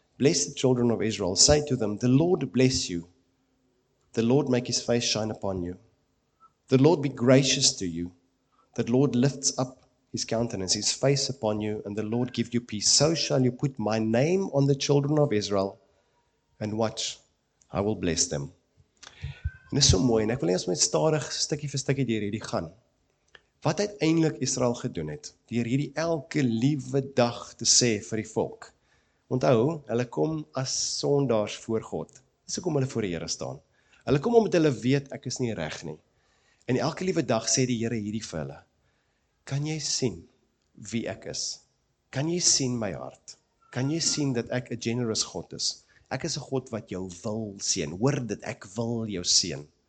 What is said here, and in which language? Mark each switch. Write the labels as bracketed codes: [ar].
[en] Bless the children of Israel. Say to them, the Lord bless you. The Lord make his face shine upon you. The Lord be gracious to you. The Lord lifts up his countenance, his face upon you, and the Lord give you peace. So shall you put my name on the children of Israel, and watch, I will bless them." [af] En dit is so mooi, en ek wil eers met stadig, stikkie vir stikkie, deur hierdie gaan. Wat uiteindelik Israel gedoen het, deur hierdie elke liewe dag te sê vir die volk. Onthou, hulle kom as sondaars voor God. Dis hoekom hulle voor die Here staan. Hulle kom omdat hulle weet, ek is nie reg nie. En elke liewe dag sê die Here hierdie vir hulle, kan jy sien wie ek is? Kan jy sien my hart? Kan jy sien dat ek 'n generous God is? Ek is 'n God wat jou wil seën. Hoor dit, ek wil jou seën.